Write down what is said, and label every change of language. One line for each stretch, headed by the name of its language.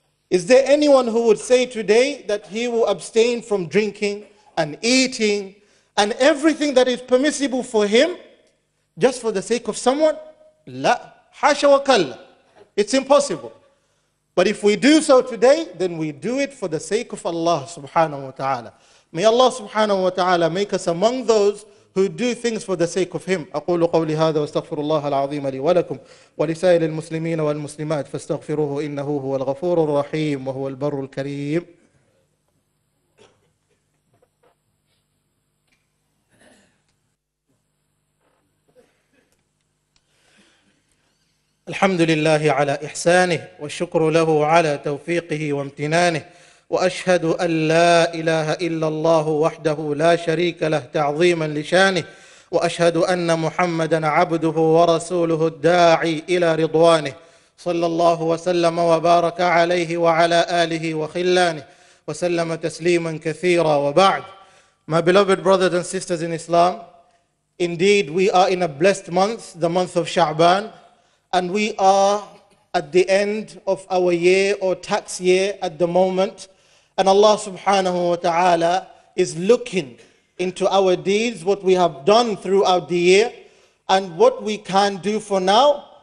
English: Is there anyone who would say today that he will abstain from drinking and eating and everything that is permissible for him just for the sake of someone?
Arabic: لا حاشا وكلا.
English: It's impossible. But if we do so today, then we do it for the sake of Allah subhanahu wa ta'ala. May Allah subhanahu wa ta'ala make us among those who do things for the sake of Him.
Arabic: أقول قولي هذا واستغفر الله العظيم لي ولكم ولسائر المسلمين والمسلمات فاستغفروه إنه هو الغفور الرحيم وهو البر الكريم. الحمد لله على إحسانه والشكر له على توفيقه وامتنانه وأشهد أن لا إله إلا الله وحده لا شريك له تعظيما لشانه وأشهد أن محمدا عبده ورسوله الداعي إلى رضوانه صلى الله وسلم وبارك عليه وعلى آله وخلانه وسلم تسليما كثيرا وبعد.
English: My beloved brothers and sisters in Islam, indeed we are in a blessed month, the month of Sha'ban. And we are at the end of our year or tax year at the moment. And Allah subhanahu wa ta'ala is looking into our deeds, what we have done throughout the year and what we can do for now.